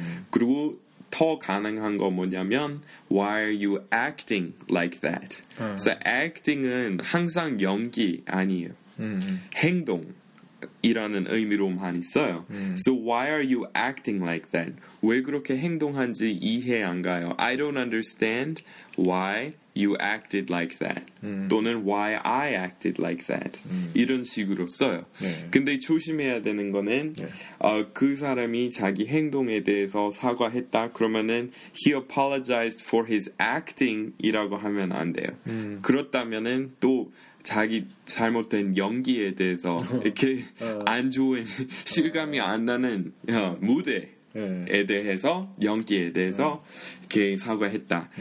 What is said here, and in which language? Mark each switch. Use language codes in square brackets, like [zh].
[ko] 그리고 더 가능한 거 뭐냐면 [en] Why are you acting like that? [ko] So acting은 항상 연기 아니에요. 행동이라는 의미로 많이 써요. [en] So why are you acting like that? [ko] 왜 그렇게 행동한지 이해 안 가요. [en] I don't understand why you acted like that. [ko] 또는 [en] why I acted like that. [ko] 이런 식으로 써요. 네. 근데 조심해야 되는 거는 네. 그 사람이 자기 행동에 대해서 사과했다. 그러면은 [en] he apologized for his acting [ko] 이라고 하면 안 돼요. 그렇다면은 또 자기 잘못된 연기에 대해서 이렇게 안 좋은 실감이 안 나는 무대에 대해서 연기에 대해서 이렇게 사과했다.